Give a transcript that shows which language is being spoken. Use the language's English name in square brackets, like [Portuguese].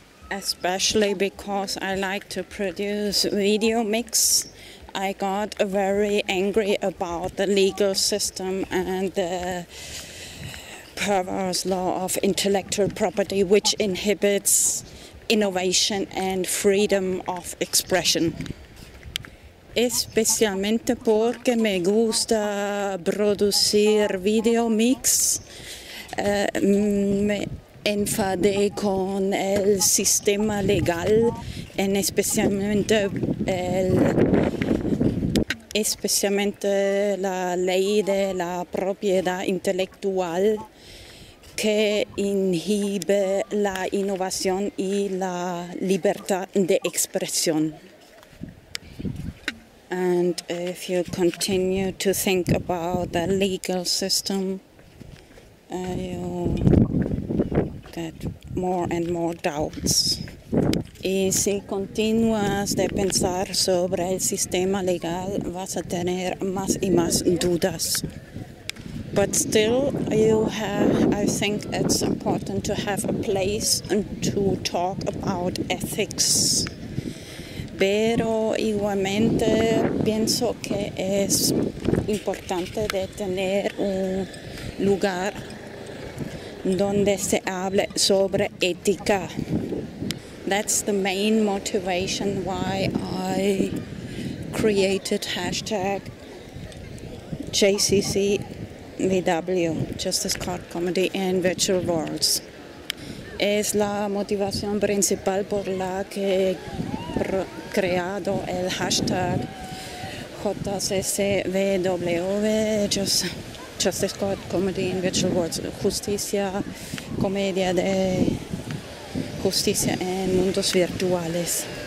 [English] Especially because I like to produce VideoMix, I got very angry about the legal system and the perverse law of intellectual property, which inhibits innovation and freedom of expression. [Spanish] Especialmente porque me gusta producir VideoMix, me enfadé con el sistema legal, en especialmente la ley de la propiedad intelectual que inhibe la innovación y la libertad de expresión. [English] And if you continue to think about the legal system, you get more and more doubts. [Spanish] Y si continúas de pensar sobre el sistema legal, vas a tener más y más dudas. [English] But still, I think it's important to have a place to talk about ethics. [Spanish] Pero igualmente pienso que es importante de tener un lugar donde se hable sobre ética. [English] That's the main motivation why I created hashtag JCCVW, Justice Card Comedy in Virtual Worlds. [Spanish] Es la motivación principal por la que creado el hashtag JCCVW, Justice Card Comedy in Virtual Worlds, justicia, comedia de justicia en mundos virtuales.